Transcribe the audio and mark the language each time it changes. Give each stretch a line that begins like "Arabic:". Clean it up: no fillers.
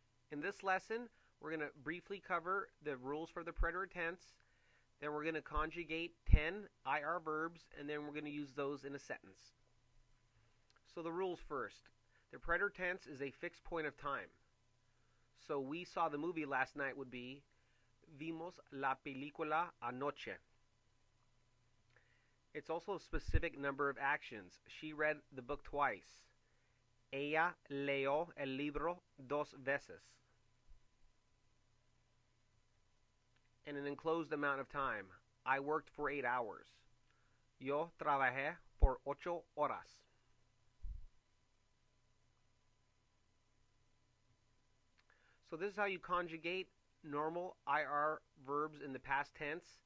English: In this lesson, we're going to briefly cover the rules for the preterite tense, then we're going to conjugate 10 IR verbs, and then we're going to use those in a sentence. So the rules first. The preterite tense is a fixed point of time. So we saw the movie last night would be,
Spanish: vimos la película anoche.
English: It's also a specific number of actions. She read the book twice.
Spanish: Ella leyó el libro dos veces.
English: And an enclosed amount of time. I worked for 8 hours.
Spanish: Yo trabajé por 8 horas.
English: So this is how you conjugate normal IR verbs in the past tense.